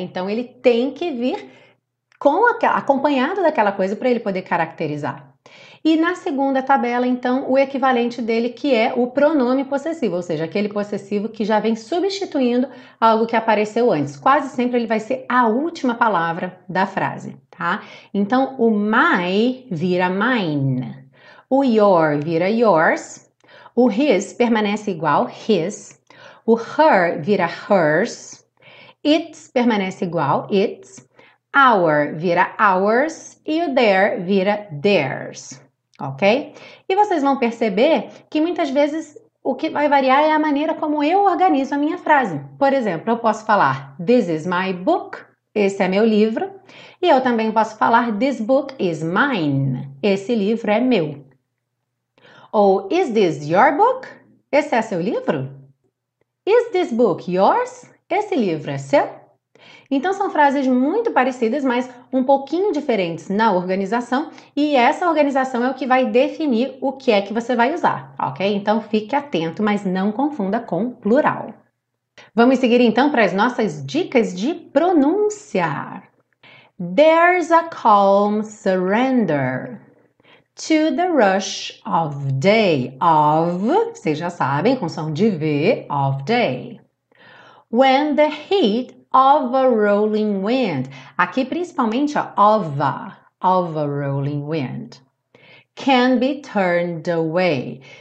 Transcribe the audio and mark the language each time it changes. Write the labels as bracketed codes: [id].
[pt] Então, ele tem que vir acompanhado daquela coisa para ele poder caracterizar. E na segunda tabela, então, o equivalente dele, que é o pronome possessivo, ou seja, aquele possessivo que já vem substituindo algo que apareceu antes. Quase sempre ele vai ser a última palavra da frase, tá? Então, o my vira mine, o your vira yours, o his permanece igual, his, o her vira hers, its permanece igual, its, our vira ours e o their vira theirs. Ok? E vocês vão perceber que muitas vezes o que vai variar é a maneira como eu organizo a minha frase. Por exemplo, eu posso falar [en] this is my book, [pt] esse é meu livro. E eu também posso falar [en] this book is mine, [pt] esse livro é meu. [en] Ou is this your book? [pt] Esse é seu livro? [en] Is this book yours? [pt] Esse livro é seu? Então, são frases muito parecidas, mas um pouquinho diferentes na organização. E essa organização é o que vai definir o que é que você vai usar, ok? Então, fique atento, mas não confunda com plural. Vamos seguir, então, para as nossas dicas de pronúncia. [en] There's a calm surrender to the rush of day. [pt] Of, vocês já sabem, com som de V, [en] of day. When the heat of a rolling wind. [pt] Aqui principalmente ó, [en] of a rolling wind. Can be turned away.